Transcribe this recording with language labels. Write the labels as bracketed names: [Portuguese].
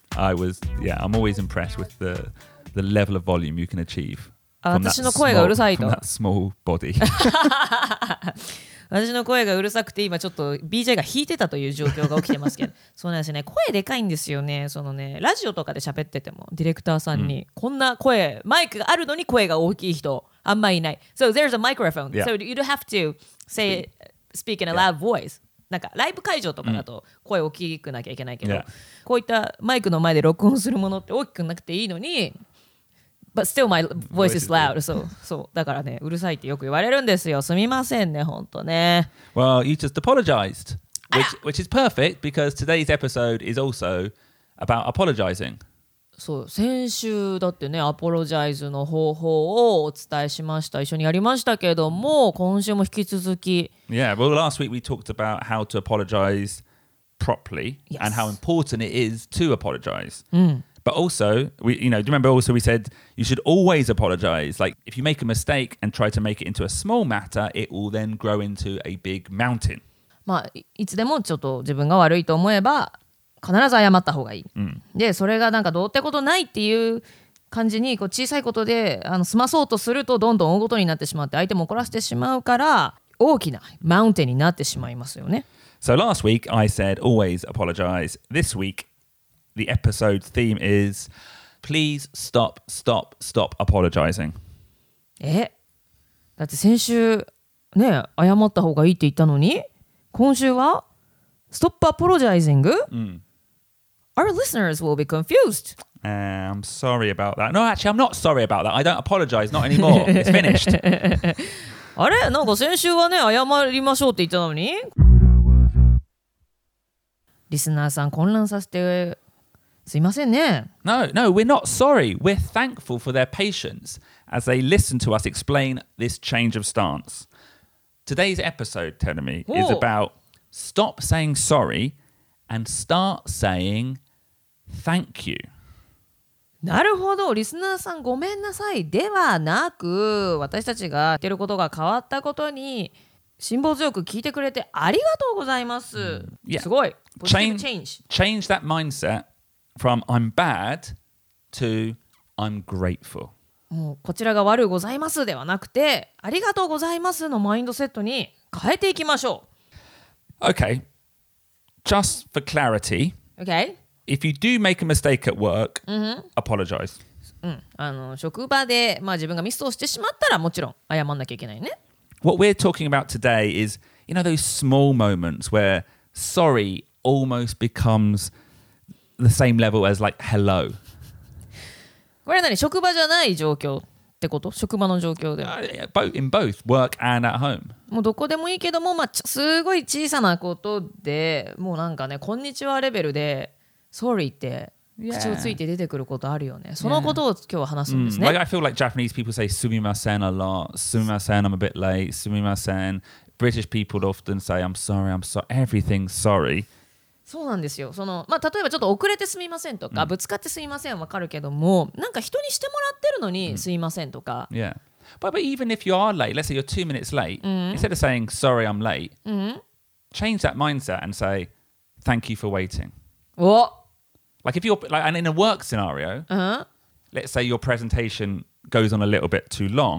[English] I was, yeah, I'm always impressed with the level of volume you can achieve. [Japanese] 私の声がうるさいと。 [English] From that small body. [Japanese] 私の声がうるさくて、今ちょっと BJ が弾いてたという状況が起きてますけど。そうなんですね。声でかいんですよね。そのね、ラジオとかで喋ってても、ディレクターさんに、こんな声、マイクがあるのに声が大きい人。あんまいない。 [English] So there's a microphone.、 Yeah. So you don't have to say, speak in a loud voice.、Yeah. [Japanese] なんかライブ会場とかだと声大きくなきゃいけないけど、 [English] yeah. [Japanese] こういったマイクの前で録音するものって大きくなくていいのに、 [English] But still my voice is loud. [Japanese] So, so だからね、うるさいってよく言われるんですよ。すみませんね、ほんとね。 [English] Well, you just apologized. Which is perfect because today's episode is also about apologizing. [Japanese] そう、先週だってね、アポロジャイズの方法をお伝えしました。一緒にやりましたけれども、今週も引き続き。 [English] Yeah, well, last week we talked about how to apologize properly、 yes. and how important it is to apologize.、うん、 But also, do you remember we said you should always apologize. Like, if you make a mistake and try to make it into a small matter, it will then grow into a big mountain. [Japanese] まあ、いつでもちょっと自分が悪いと思えば、必ず謝った方がいい、うん、でそれがなんかどうってことないっていう感じにこう小さいことで済まそうとするとどんどん大ごとになってしまって相手も怒らせてしまうから大きなマウンテンになってしまいますよね。 [English] So last week I said always apologize. This week the episode theme is please stop stop stop apologizing. [Japanese] え?だって先週ね謝った方がいいって言ったのに今週は [English] Stop apologizing?、 Mm. Our listeners will be confused.、 I'm sorry about that. No, actually, I'm not sorry about that. I don't apologize, not anymore. It's finished. [Japanese] あれ? なんか先週はね、謝りましょうって言ったのに。リスナーさん混乱させてすいませんね。 [English] No, no, we're not sorry. We're thankful for their patience as they listen to us explain this change of stance. Today's episode, Tenami, is about... Stop saying sorry and start saying thank you. [Japanese] なるほど、リスナーさんごめんなさいではなく、私たちが言ってることが変わったことに辛抱強く聞いてくれてありがとうございます。 [English] Yeah. [Japanese] すごい。Change [English] that mindset from I'm bad to I'm grateful. [Japanese] もうこちらが悪いございますではなくて、ありがとうございますのマインドセットに変えていきましょう。 [English] Okay, just for clarity, okay. if you do make a mistake at work,、 mm-hmm. apologize.、 [Japanese] うん、職場で、まあ、自分がミスをしてしまったらもちろん謝んなきゃいけないね。 [English] What we're talking about today is, you know, those small moments where sorry almost becomes the same level as like hello. [Japanese] これは何?職場じゃない状況。ってこと?職場の状況では [English] 、in both work and at home. [Japanese] もうどこでもいいけども、まあ、すごい小さなことでもうなんかねこんにちはレベルで sorry って口をついて出てくることあるよね、 [English] yeah. [Japanese] そのことを今日は話すんですね、 [English] mm. like, I feel like Japanese people say すみません a lot すみません I'm a bit late すみません British people often say I'm sorry I'm sorry everything sorry [Japanese] そうなんですよその、まあ、例えばちょっと遅れてすみませんとか、mm. ぶつかってすみませんわかるけどもなんか人にしてもらってるのにすみませんとか、 [English] mm. Yeah. But even if you are late, let's say you're 2 minutes late、 mm. instead of saying sorry I'm late、 mm. change that mindset and say thank you for waiting What? Like if you're like, and in a work scenario、 uh-huh. let's say your presentation goes on a little bit too long